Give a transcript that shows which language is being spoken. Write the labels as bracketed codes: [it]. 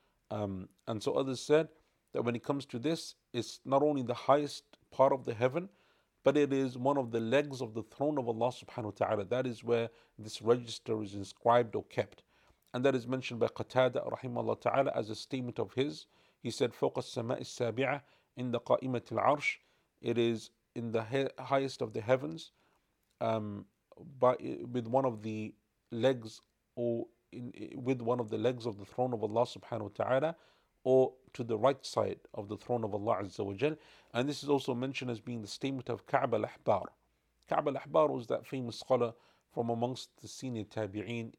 [en] And so others said that when it comes to this, it's not only the highest part of the heaven, but it is one of the legs of the throne of Allah subhanahu wa ta'ala. That is where this register is inscribed or kept. And that is mentioned by Qatada rahimahullah ta'ala as a statement of his. He said, [ar] فوق السماء السابعة عند قائمة العرش. [en] It is in the highest of the heavens, with one of the legs, or with one of the legs of the throne of Allah subhanahu wa ta'ala, or to the right side of the throne of Allah Azza wa Jal. And this is also mentioned as being the statement of Ka'b al-Ahbar. Ka'b al-Ahbar was that famous scholar from amongst the senior tabi'een.